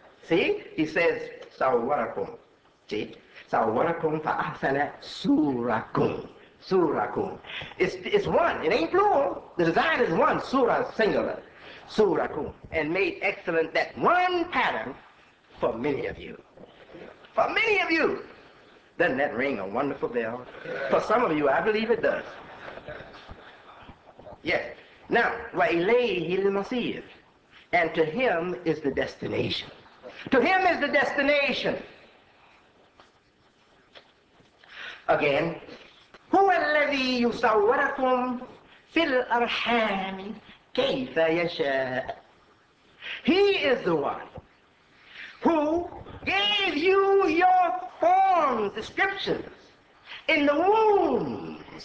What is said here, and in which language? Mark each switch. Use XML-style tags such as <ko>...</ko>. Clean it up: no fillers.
<en>See? He says, Sawarakum. See?</en> <ar>Sawarakum fa asana surakum.</ar> <en>Surakum. It's one. It ain't plural. The design is one. Surah singular. Surakum. And made excellent that one pattern for many of you. For many of you, doesn't that ring a wonderful bell? For some of you, I believe it does. Yes. Now,</en> <ar>وَإِلَيْهِ الْمَصِيرِ.</ar> <en>And to him is the destination. To him is the destination. Again,</en> <ar>هُوَ الَّذِي يُصَوَّرَكُمْ فِي الْأَرْحَامِ كَيْفَ يَشَاءُ.</ar> <en>He is the one who gave you your forms, descriptions, in the wombs.</en>